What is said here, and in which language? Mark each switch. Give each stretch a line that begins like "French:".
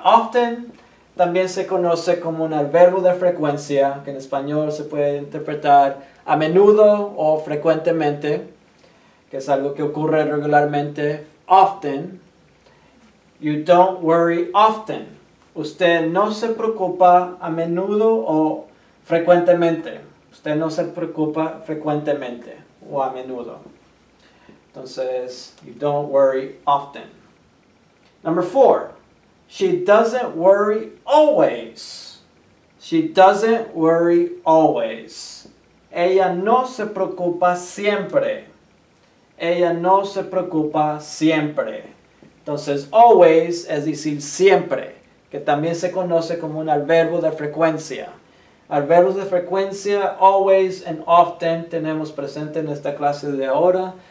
Spanish: Often también se conoce como un adverbio de frecuencia, que en español se puede interpretar a menudo o frecuentemente, que es algo que ocurre regularmente. Often.
English: You don't worry often.
Spanish: Usted no se preocupa a menudo o frecuentemente. Usted no se preocupa frecuentemente o a menudo. Entonces,
English: you don't worry often. Number 4. She doesn't worry always. She doesn't worry always.
Spanish: Ella no se preocupa siempre. Ella no se preocupa siempre. Entonces, always es decir siempre, que también se conoce como un adverbio de frecuencia. Adverbios de frecuencia, always and often, tenemos presente en esta clase de ahora.